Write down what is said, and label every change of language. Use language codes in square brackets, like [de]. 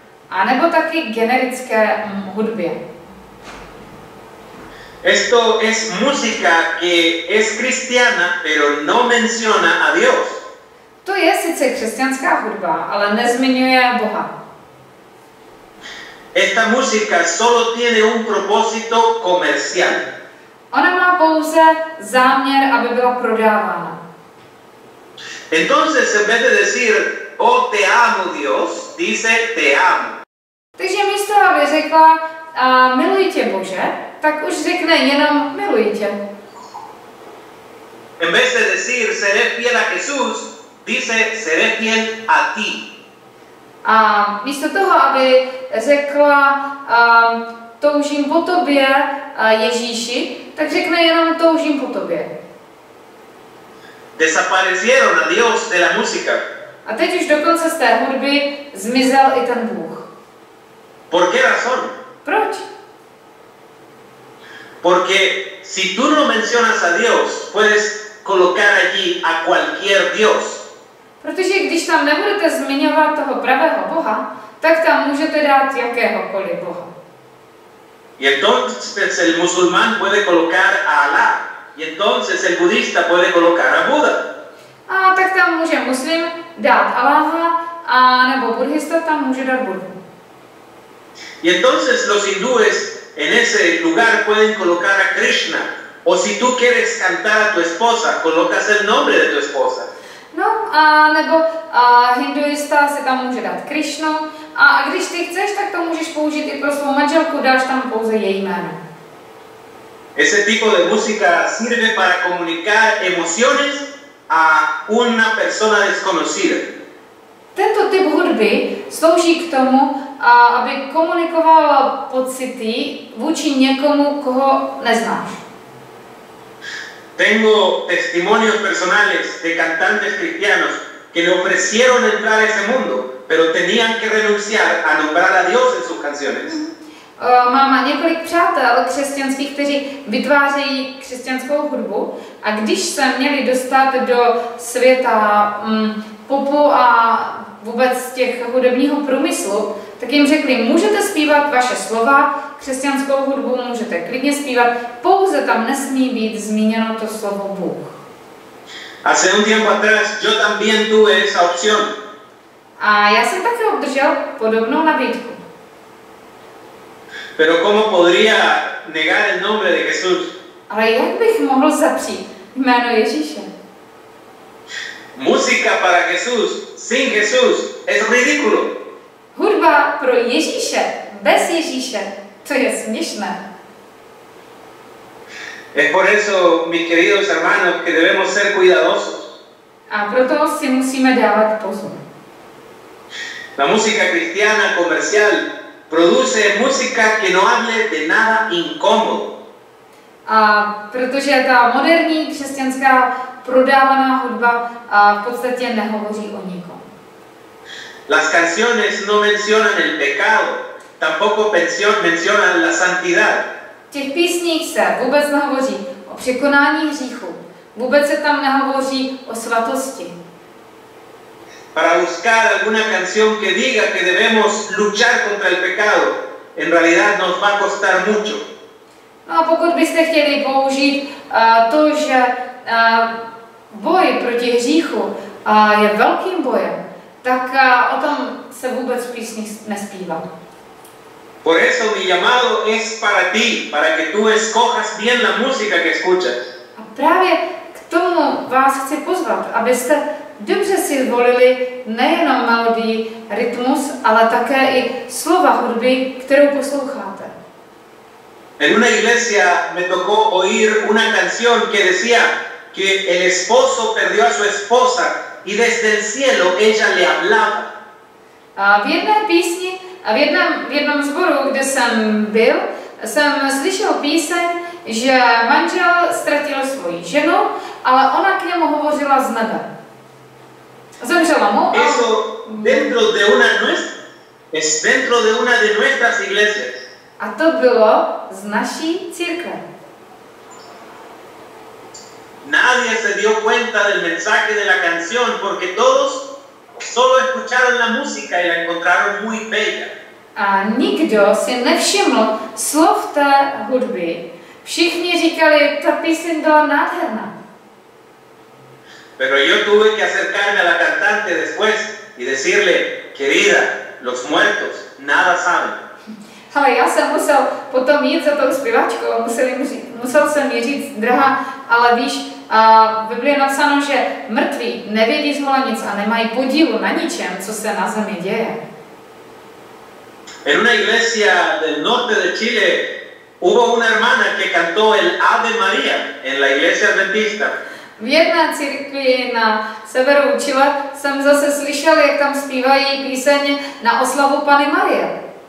[cs] A nebo taky generické hudbě. [es] Esto es música que es cristiana, pero no menciona a Dios. [cs] To je sice křesťanská hudba, ale nezmiňuje Boha. [es] Esta música solo tiene un propósito comercial. [cs] Ona má pouze záměr, aby byla prodávána. [es] Entonces, en vez de decir, oh, te amo, Dios, dice, te amo. [cs] Takže místo, aby řekla, miluji tě, Bože, tak už řekne jenom, miluji tě. [es] En vez de decir, seré fiel a Jesús, dice, seré fiel a ti. [cs] A místo toho, aby řekla, toužím po tobě, Ježíši, tak řekne jenom, toužím po tobě. [es] Desaparecieron a Dios de la música. [cs] A teď už dokonce z té hudby zmizel i ten Bůh. [es] ¿Por qué razón? [cs] Proč? [es] Porque si tú no mencionas a Dios, puedes colocar allí a cualquier Dios. [cs] Protože když tam nebudete zmiňovat toho pravého Boha, tak tam můžete dát jakéhokoliv Boha. [es] Y entonces el musulmán puede colocar a Alá. Y entonces el budista puede colocar a Buda. [cs] A tak tam může muslim dát Aláha, a nebo budista tam může dát Budu. [es] Y entonces los hindúes en ese lugar pueden colocar a Krishna. O si tú quieres cantar a tu esposa, colocas el nombre de tu esposa. [cs] No, a nebo a hinduista si tam může dát Krishnu, a když ty chceš, tak to můžeš použít i pro svou manželku, dáš tam pouze její jméno. [es] Ese tipo de música sirve para comunicar emociones a una persona desconocida. [cs] Tento typ hudby slouží k tomu, aby komunikovala pocity vůči někomu, koho neznáš. [es] Tengo testimonios personales de cantantes cristianos que le ofrecieron entrar a ese mundo, pero tenían que renunciar a nombrar a Dios en sus canciones. [cs] Mám několik přátel křesťanských, kteří vytvářejí křesťanskou hudbu, a když se měli dostat do světa popu a vůbec těch hudebního průmyslu, tak jim řekli, můžete zpívat vaše slova, křesťanskou hudbu můžete klidně zpívat, pouze tam nesmí být zmíněno to slovo Bůh. [es] Hace un tiempo atrás yo también tuve esa opción. [cs] A já jsem také obdržel podobnou nabídku. [es] Pero ¿cómo podría negar el nombre de Jesús? [cs] Ale jak bych mohl zapřít jméno Ježíše? [es] Música para Jesús, sin Jesús, es ridículo. [cs] Hudba pro Ježíše, bez Ježíše, to je směšné. [es] Es por eso, mis queridos hermanos, que debemos ser cuidadosos. [cs] A proto si musíme dávat pozor. [es] La música cristiana comercial produce música que no hable de nada incómodo. [cs] A protože ta moderní křesťanská prodávaná hudba v podstatě nehovoří o nikom. [es] Las canciones no mencionan el pecado, tampoco mencionan la santidad. [cs] V těch písních se vůbec nehovoří o překonání hříchu. Vůbec se tam nehovoří o svatosti. [es] Para buscar alguna canción que diga que debemos luchar contra el pecado, en realidad nos va a costar mucho. [cs] No a pokud byste chtěli použít to, že boj proti hříchu je velkým bojem, tak o tom se vůbec v písních nespívá. [es] Por eso mi llamado es para ti, para que tú escojas bien la música que escuchas. [cs] A právě k tomu vás chci pozvat, abyste dobře si zvolili nejenom melodii, rytmus, ale také i slova hudby, kterou posloucháte. [es] En una iglesia me tocó oír una canción que decía que el esposo perdió a su esposa y desde el cielo ella le hablaba. [cs] V jedné písni a v jednom sboru, kde jsem byl, jsem slyšel píseň, že manžel ztratil svoji ženu, ale ona k němu hovořila z nebe. Zemřela mu. A... [es] Eso dentro de una nuestra, es dentro de una de nuestras iglesias. [cs] A to bylo z naší církve. [es] Nadie se dio cuenta del mensaje de la canción porque todos solo escucharon la música y la encontraron muy bella. [cs] A nikdo si nevšiml slov té hudby. Všichni říkali, ta píseň byla nádherná. [es] Pero yo tuve que acercarme a la cantante después y decirle, querida, los muertos nada saben. [cs] Ale já jsem musel potom jít za tou zpěvačkou, musel jsem jí říct, drahá, ale víš, Bible je napsáno, že mrtví nevědí zhola nic a nemají podílu na ničem, co se na zemi děje. [es] En una iglesia del norte de Chile hubo una hermana que cantó el Ave María en la iglesia adventista. [cs] V jedné církvi na severu Chile jsem zase slyšel, jak tam zpívají píseň na oslavu Panny Marie.